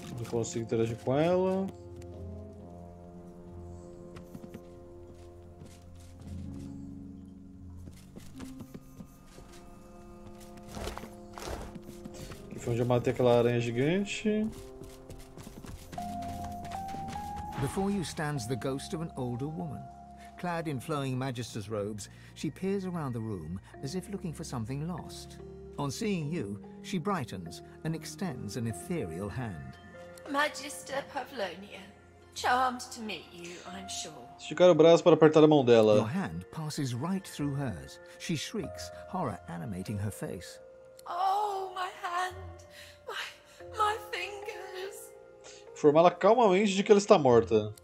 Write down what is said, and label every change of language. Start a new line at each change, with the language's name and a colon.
Portuguese: Consigo interagir com ela. Aqui foi onde eu matei aquela aranha gigante.
English: Before you stands the ghost of an older woman, clad in flowing magister's robes. She peers around the room as if looking for something lost. On seeing you, she brightens and extends an ethereal hand. Magister Pavlonia, charmed to meet you, I'm sure.
Portuguese: Esticar o braço para apertar a mão dela.
English: Your hand passes right through hers. She shrieks, horror animating her face. Oh, my hand! My fingers!
Portuguese: Informá-la calmamente de que ela está morta.